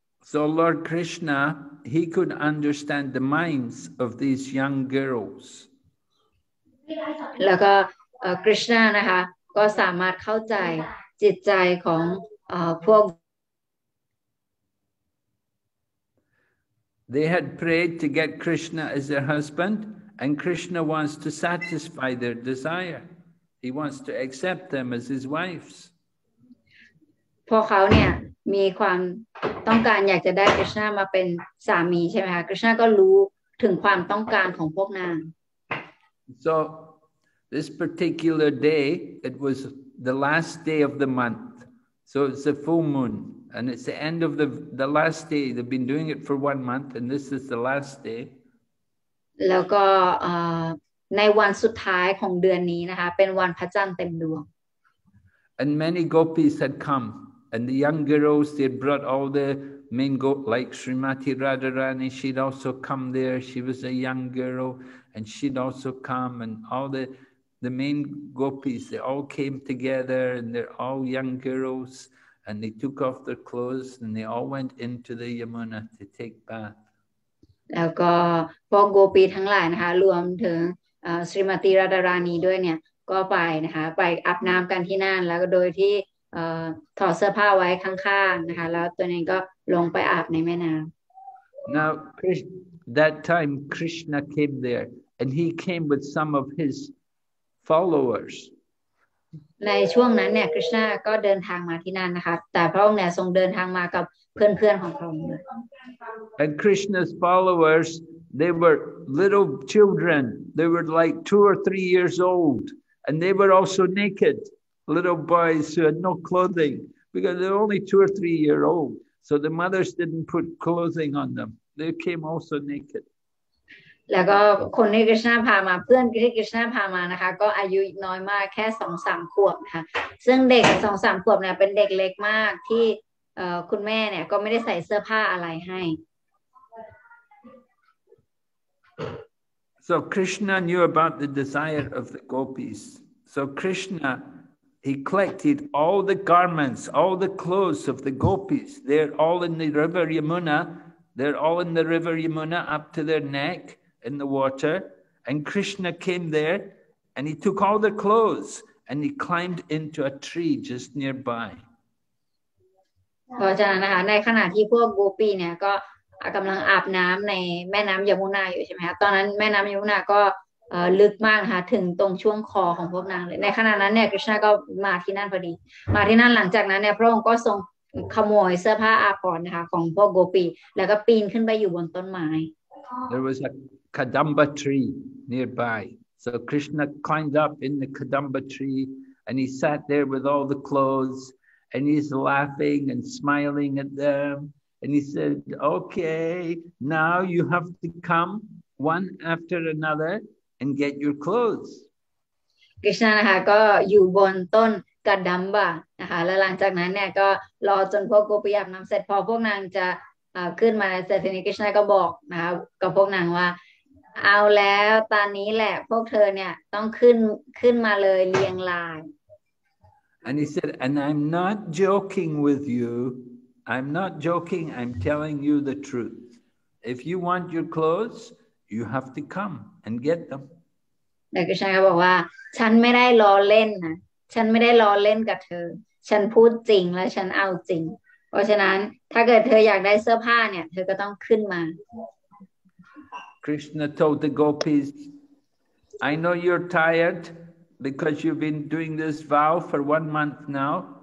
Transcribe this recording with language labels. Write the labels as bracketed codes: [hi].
[en] So Lord Krishna he could understand the minds of these young girls [th] แล้วก็คริชนานะคะก็สามารถเข้าใจจิตใจของพวก [en] They had prayed to get Krishna as their husbandAnd Krishna wants to satisfy their desire. He wants to accept them as his wives. [th] พอเขาเนี่ยมีความต้องการอยากจะได้ Krishna มาเป็นสามีใช่ไหมคะ Krishna ก็รู้ถึงความต้องการของพวกนาง [en] So this particular day, it was the last day of the month. So it's the full moon. And it's the end of the last day. They've been doing it for 1 month. And this is the last day. [th] แล้วก็ในวันสุดท้ายของเดือนนี้นะคะเป็นวันพระจันทร์เต็มดวง [en] And many gopis had come and the young girls they brought all the main goat like Srimati Radharani she'd also come there she was a young girl and she'd also come and all the main gopis they all came together and they're all young girls and they took off their clothes and they all went into the Yamuna to take bath [th] แล้วก็พวกโกปีทั้งหลายนะคะรวมถึงศรีมตีราดารานีด้วยเนี่ยก็ไปนะคะไปอาบน้ำกันที่นั่นแล้วก็โดยที่ถอดเสื้อผ้าไว้ข้างๆนะคะแล้วตัวเองก็ลงไปอาบในแม่น้ำ [en] Now that time Krishna came there and he came with some of his followers [th] ในช่วงนั้นเนี่ยคริชนาก็เดินทางมาที่นั่นนะคะแต่พระองค์เนี่ยทรงเดินทางมากับเพื่อนๆของพระองค์ [en] And Krishna's followers they were little children they were like 2 or 3 years old and they were also naked little boys who had no clothing because they're only 2 or 3 years old so the mothers didn't put clothing on them they came also naked [th] แล้วก็คนที่คริชนาพามาเพื่อนที่คริชนาพามานะคะก็อายุน้อยมากแค่สองสามขวบนะคะซึ่งเด็กสองสามขวบเนี่ยเป็นเด็กเล็กมากที่คุณแม่เนี่ยก็ไม่ได้ใส่เสื้อผ้าอะไรให้ [en] So Krishna knew about the desire of the gopis. So Krishna he collected all the garments, all the clothes of the gopis. They're all in the river Yamuna. They're all in the river Yamuna up to their neck in the water. And Krishna came there and he took all the clothes and he climbed into a tree just nearby. [th] เพราะฉะนั้นนะคะในขณะที่พวกโกปีเนี่ยก็กำลังอาบน้ำในแม่น้ำยมุนาอยู่ใช่ไหมคะตอนนั้นแม่น้ำยมุนาก็ลึกมากนะคะถึงตรงช่วงคอของพวกนางเลยในขณะนั้นเนี่ยคริชนาก็มาที่นั่นพอดีมาที่นั่นหลังจากนั้นเนี่ยพระองค์ก็ทรงขโมยเสื้อผ้าอาภรณ์นะคะของพวกโกปีแล้วก็ปีนขึ้นไปอยู่บนต้นไม้ [en] There was a kadamba tree nearby So Krishna climbed up in the kadamba tree and he sat there with all the clothes and he's laughing and smiling at them. And he said, okay, now you have to come one after another and get your clothes. [th] Krishna นะคะก็อยู่บนต้นกระดัมบะนะคะแล้วหลังจากนั้นเนี่ยก็รอจนพวกโกปีอาบน้ำเสร็จพอพวกนางจะขึ้นมาเสร็จทีนี้ Krishna ก็บอกนะคะกับพวกนางว่าเอาแล้วตอนนี้แหละพวกเธอเนี่ยต้องขึ้นมาเลยเรียงราย [en] And he said, and I'm not joking with you. I'm not joking. I'm telling you the truth. If you want your clothes, you have to come and get them. [th] แต่ Krishna ก็บอกว่าฉันไม่ได้ล้อเล่นนะฉันไม่ได้ล้อเล่นกับเธอฉันพูดจริงและฉันเอาจริงเพราะฉะนั้นถ้าเกิดเธออยากได้เสื้อผ้าเนี่ยเธอก็ต้องขึ้นมา [en] Krishna told the gopis I know you're tired because you've been doing this vow for 1 month now